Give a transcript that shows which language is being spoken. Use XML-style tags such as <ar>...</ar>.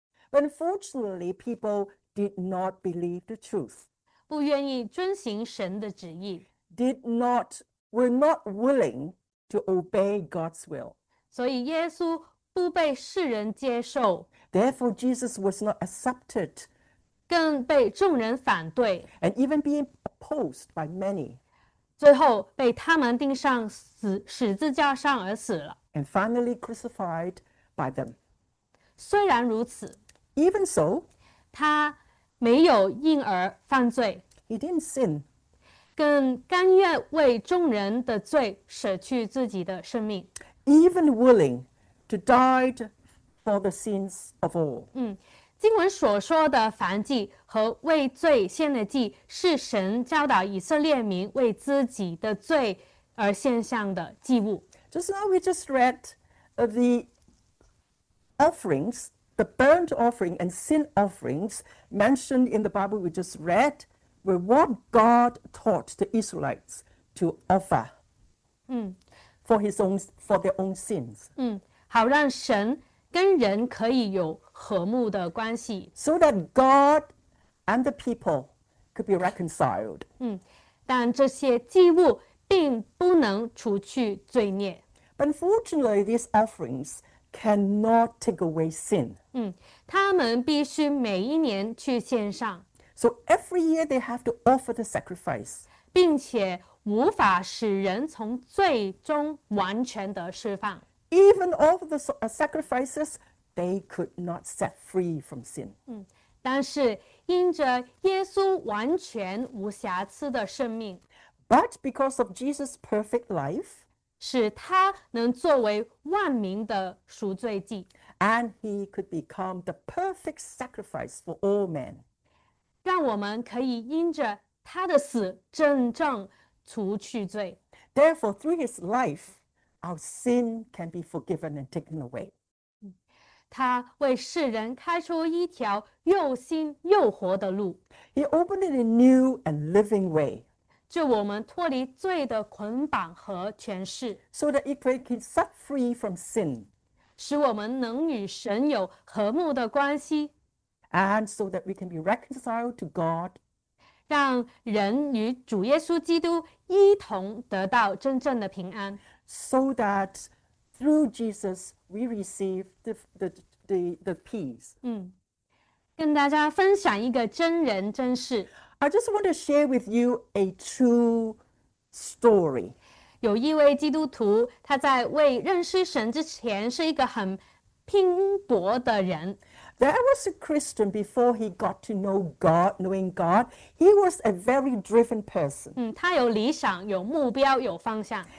<en>But unfortunately, people did not believe the truth.</en> <zh>不愿意遵行神的旨意。</zh> <en>Did not, were not willing to obey God's will.</en> <zh>所以耶稣不被世人接受。</zh> <en>Therefore, Jesus was not accepted.</en> <zh>更被众人反对。</zh> <en>And even being opposed by many.</en> <zh>最后被他们钉上十字架上而死了。</zh> <en>And finally crucified by them.</en> <zh>虽然如此。</zh> <en>Even so,</en> <zh>他没有因而犯罪。</zh> <en>He didn't sin.</en> <zh>更甘愿为众人的罪舍去自己的生命。</zh> <en>Even willing to die for the sins of all.</en> <zh>经文所说的燔祭和为罪献的祭，是神教导以色列民为自己的罪而献上的祭物。</zh> <en>Just now we just read the offerings, the burnt offering and sin offerings mentioned in the Bible we just read, were what God taught the Israelites to offer for his own, for their own sins.</en> <zh>好让神跟人可以有和睦的关系。</zh> <en>So that God and the people could be reconciled.</en> <zh>但这些祭物并不能除去罪孽。</zh> <en>But unfortunately, these offerings cannot take away sin.</en> <zh>他们必须每一年去献上。</zh> <en>So every year they have to offer the sacrifice.</en> <zh>并且无法使人从罪中完全的释放。</zh> <en>Even all of the sacrifices, they could not set free from sin.</en> <zh>但是因着耶稣完全无瑕疵的生命，</zh> <en>But because of Jesus' perfect life,</en> <zh>使他能作为万民的赎罪祭，</zh> <en>And he could become the perfect sacrifice for all men.</en> <zh>让我们可以因着他的死真正除去罪。</zh> <en>Therefore, through his life, our sin can be forgiven and taken away.</en> <zh>他为世人开出一条又新又活的路。</zh> <en>He opened a new and living way.</en> <zh>就我们脱离罪的捆绑和权势。</zh> <en>So that it could set free from sin.</en> <zh>使我们能与神有和睦的关系。</zh> <en>And so that we can be reconciled to God.</en> <zh>让人与主耶稣基督一同得到真正的平安。</zh> <en>So that through Jesus we receive the peace.</en> <zh>跟大家分享一个真人真事。</zh> <en>I just want to share with you a true story.</en> <zh>有一位基督徒，他在未认识神之前是一个很拼搏的人。</zh> <en>There was a Christian before he got to know God, knowing God. He was a very driven person.</en> <zh>他有理想，有目标，有方向。</zh>